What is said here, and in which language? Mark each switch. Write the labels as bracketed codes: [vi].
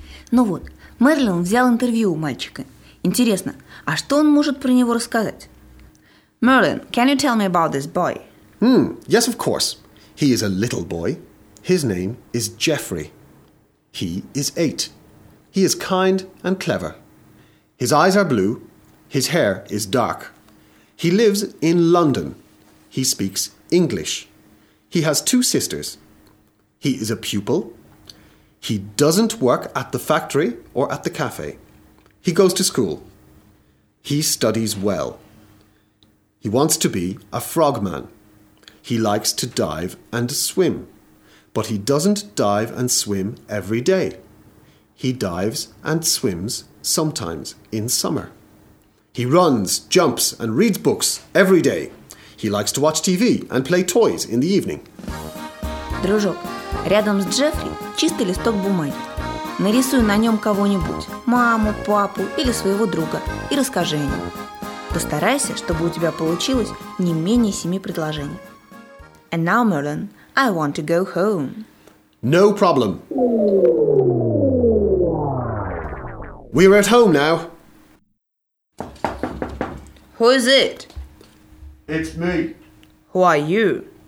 [ru] Ну вот, Мерлин взял интервью у мальчика. Интересно, а что он может про него рассказать? [en] Мерлин, can you tell me about this boy? Yes, of course. He is a little boy. His name is Jeffrey. He is 8. He is kind and clever. His eyes are blue. His hair is dark. He lives in London. He speaks English. He has 2 sisters. He is a pupil. He doesn't work at the factory or at the cafe. He goes to school. He studies well. He wants to be a frogman. He likes to dive and swim. But he doesn't dive and swim every day. He dives and swims sometimes in summer. He runs, jumps, and reads books every day. He likes to watch TV and play toys in the evening. [ru] Дружок, рядом с Джеффри чистый листок бумаги. Нарисуй на нем кого-нибудь, маму, папу или своего друга, и расскажи о нем. Постарайся, чтобы у тебя получилось не менее 7 предложений. [en] And now, Merlin, I want to go home. No problem. We are at home now. Who is it? It's me. Who are you?